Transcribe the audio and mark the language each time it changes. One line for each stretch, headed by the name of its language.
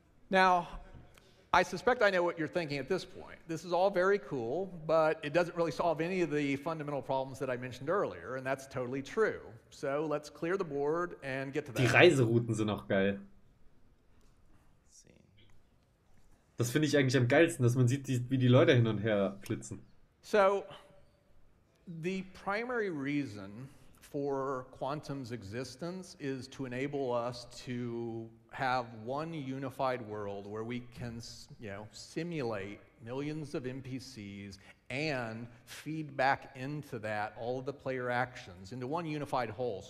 English: Now, I suspect I know what you're thinking at this point. This is all very cool, but it doesn't really solve any of the fundamental problems that I mentioned earlier, and that's totally true. So let's clear the board and get to that.
German: Die Reiserouten sind auch geil. Das finde ich eigentlich am geilsten, dass man sieht, wie die Leute hin und her flitzen.
English: So, the primary reason for quantum's existence is to enable us to have one unified world where we can, you know, simulate millions of NPCs and feed back into that all of the player actions into one unified whole.